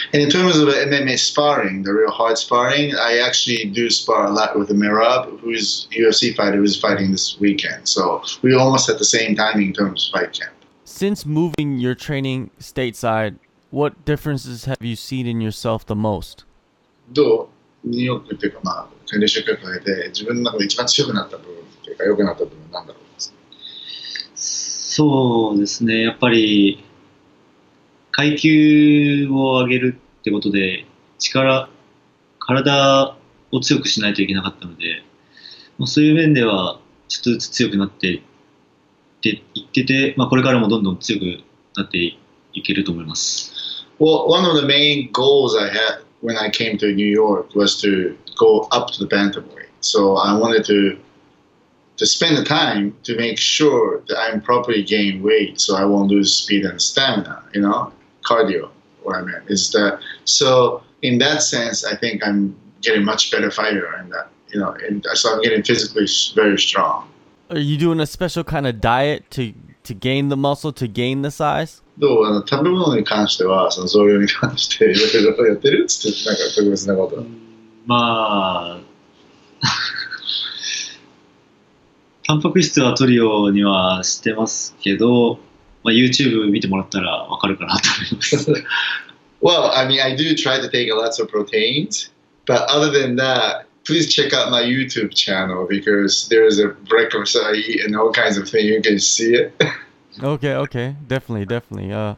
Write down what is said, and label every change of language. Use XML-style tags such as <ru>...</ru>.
<en>And in terms of the MMA sparring, the real hard sparring, I actually do spar a lot with Mirab, who is UFC fighter who is fighting this weekend. So we almost at the same time in terms of fight camp. Since moving your training stateside, what differences have you seen in yourself the most?</en> <ja>どう？ニューヨークっていうかまあ、練習会かけて自分の中で一番強くなった部分っていうか良くなった部分なんだろう。そうですね。やっぱり。階級を上げるってことで体を強くしないといけなかったので、まあ、そういう面ではちょっとずつ強くなっていってて、まあ、これからもどんどん強くなっていけると思います。</ja> <en>Well, one of the main goals I had when I came to New York was to go up to the bantamweight. So I wanted to spend the time to make sure that I'm properly gaining weight so I won't lose speed and stamina, you know? Cardio, what I meant is that. So in that sense, I think I'm getting much better fighter, and that you know, and so I'm getting physically very strong. Are you doing a special kind of diet to gain the muscle, to gain the size?</en> <ja>どう、あの、食べ物に関しては、その増量に関して、いろいろやってるっつって、なんか特別なこと。まあ、タンパク質は取るようにはしてますけど。まあ、YouTube 見てもらったら分かるかなと思います。</ja> <en>Well, I mean, I do try to take lots of proteins, but other than that, please check out my YouTube channel because there is a breakfast I eat and all kinds of things. You can see it. Okay, definitely.</en>